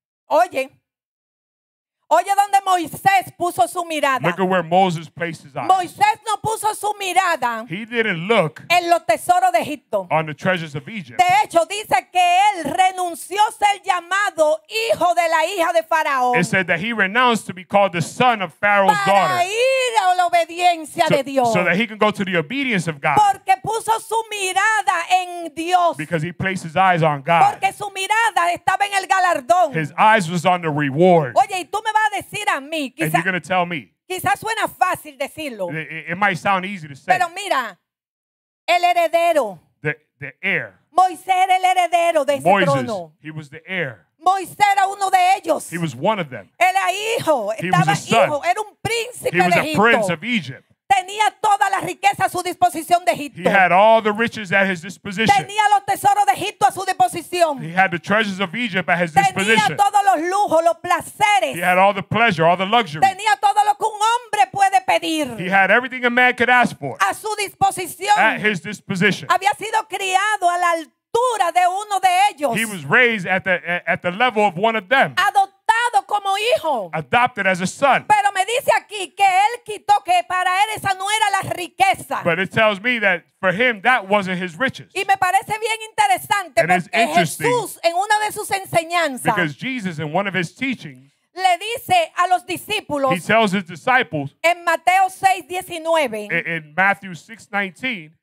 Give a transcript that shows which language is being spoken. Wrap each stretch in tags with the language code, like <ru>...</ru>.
<es>Oye. Oye donde Moisés puso su mirada.</es> <en>Look at where Moses placed his eyes.</en> <es>Moisés no puso su mirada.</es> <en>He didn't look</en> <es>en los tesoros de Egipto.</es> <en>On the treasures of Egypt.</en> <es>De hecho, dice que él renunció a ser llamado hijo de la hija de Faraón.</es> <en>It said that he renounced to be called the son of Pharaoh's</en> <es>para</es> <en>daughter.</en> <es>Para ir a la obediencia de Dios.</es> <en>So that he can go to the obedience of God.</en> <es>Porque puso su mirada en Dios.</es> <en>Because he placed his eyes on God.</en> <es>Porque su mirada estaba en el galardón.</es> <en>His eyes was on the reward.</en> <es>Oye, y tú me va a decir a mí, quizá,</es> <en>and you're going to tell me.</en> <es>Quizás suena fácil decirlo.</es> <en>It might sound easy to say.</en> <es>Pero mira, el heredero.</es> <en>The heir.</en> <es>Moisés era el heredero de ese</es> <en>Moses,</en> <es>trono.</es> <en>He was the heir.</en> <es>Moisés era uno de ellos.</es> <en>He was one of them.</en> <es>Era hijo.</es> <en>He</en> <es>estaba</es> <en>was a son.</en> <es>Hijo. Era un príncipe</es> <en>he was</en> <es>de Egipto.</es> <en>A prince of Egypt.</en> <es>Tenía toda la riqueza a su disposición de Egipto.</es> <en>He had all the riches at his disposition.</en> <es>Tenía los tesoros de Egipto a su disposición.</es> <en>He had the treasures of Egypt at his disposition.</en> <es>Tenía todos los lujos, los placeres.</es> <en>He had all the pleasure, all the luxury.</en> <es>Tenía todo lo que un hombre puede pedir.</es> <en>He had everything a man could ask for.</en> <es>A su disposición.</es> <en>At his disposition.</en> <es>Había sido criado a la altura de uno de ellos.</es> <en>He was raised at the level of one of them.</en> <es>Como hijo.</es> <en>Adopted as a son.</en> <es>Pero me dice aquí que él quitó que para él esa no era la riqueza.</es> <en>But it tells me that for him that wasn't his riches.</en> <es>Y me parece bien interesante</es> <en>and</en> <es>porque Jesús en una de sus enseñanzas.</es> <en>Because Jesus in one of his teachings.</en> <es>Le dice a los discípulos.</es> <en>He tells his disciples.</en> <es>En Mateo 6:19.</es> <en>In Matthew 6:19.</en>